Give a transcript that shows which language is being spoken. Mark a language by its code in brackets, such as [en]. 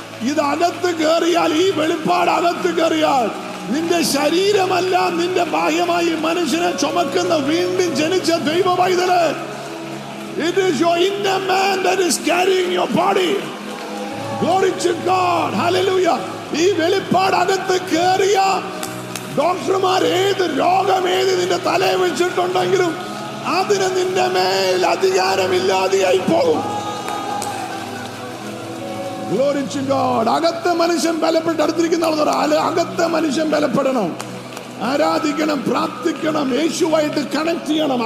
[ml] ഇത് അകത്ത് കയറിയാൽ, ഈ വെളിപ്പാട് അകത്ത് കയറിയാൽ നിന്റെ ശരീരമല്ല നിന്റെ ബാഹ്യമായി മനുഷ്യനെ ചുമക്കുന്ന വീണ്ടും ജനിച്ച ദൈവവൈദ്യന്. [en] It is your inner man that is carrying your body. Glory to God. Hallelujah. [ml] ഈ വെളിപ്പാട് അകത്ത് കയറിയ ഡോക്ടർമാർ ഏത് രോഗം ഏത് നിന്റെ തലയിൽ വെച്ചിട്ടുണ്ടെങ്കിലും അതിന് നിന്റെ മേൽ അധികാരമില്ലാതെയായി പോകും. [en] Glory to God. [ml] അകത്തെ മനുഷ്യൻ ബലപ്പെട്ട് അടുത്തിരിക്കുന്ന ആള് അകത്തെ മനുഷ്യൻ ബലപ്പെടണം, ആരാധിക്കണം, പ്രാർത്ഥിക്കണം, യേശുവായിട്ട് കണക്ട് ചെയ്യണം.